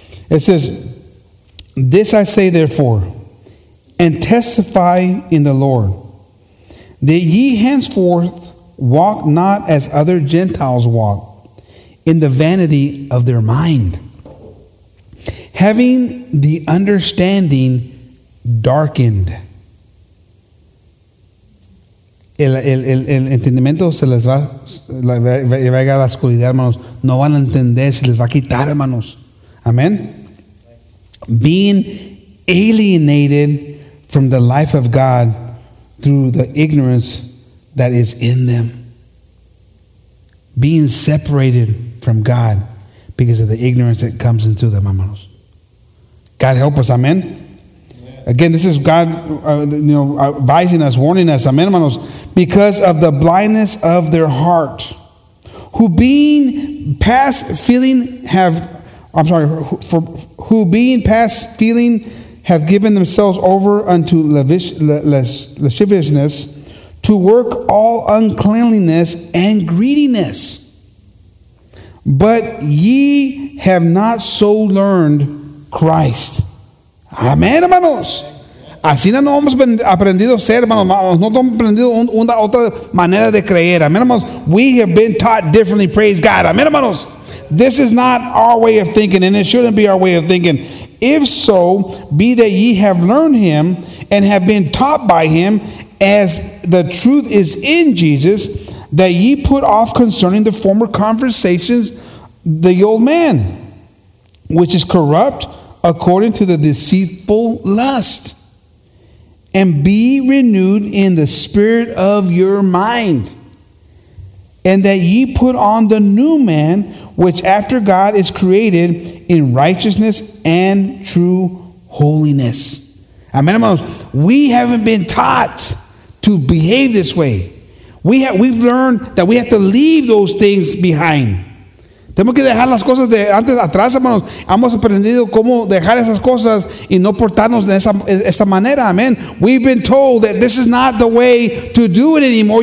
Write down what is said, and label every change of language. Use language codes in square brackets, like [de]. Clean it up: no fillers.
[en] It says, this I say therefore, and testify in the Lord, that ye henceforth walk not as other Gentiles walk, in the vanity of their mind, having the understanding darkened. [es] El entendimiento se les va, va a la oscuridad, hermanos. No van a entender, se les va a quitar, hermanos. Amen. [en] Being alienated from the life of God through the ignorance that is in them. Being separated from God because of the ignorance that comes into them, [es] hermanos. [en] God help us, amen. Yeah. Again, this is God, advising us, warning us, amen, [es] hermanos, [en] because of the blindness of their heart, who being past feeling have given themselves over unto lasciviousness, to work all uncleanliness and greediness. But ye have not so learned Christ. [es] Amén, hermanos. Así no hemos aprendido ser, hermanos. No hemos aprendido una otra manera de creer. Amén, hermanos. [en] We have been taught differently. Praise God. Amén, hermanos. This is not our way of thinking, and it shouldn't be our way of thinking. If so, be that ye have learned him and have been taught by him, as the truth is in Jesus, that ye put off concerning the former conversations the old man, which is corrupt according to the deceitful lust, and be renewed in the spirit of your mind, and that ye put on the new man, which after God is created in righteousness and true holiness. Amen, [es] hermanos. [en] We haven't been taught to behave this way. We've learned that we have to leave those things behind. [es] Tenemos que dejar las cosas de antes atrás, hermanos. Hemos aprendido cómo dejar esas cosas y no portarnos de esa manera. Amen. [en] We've been told that this is not the way to do it anymore.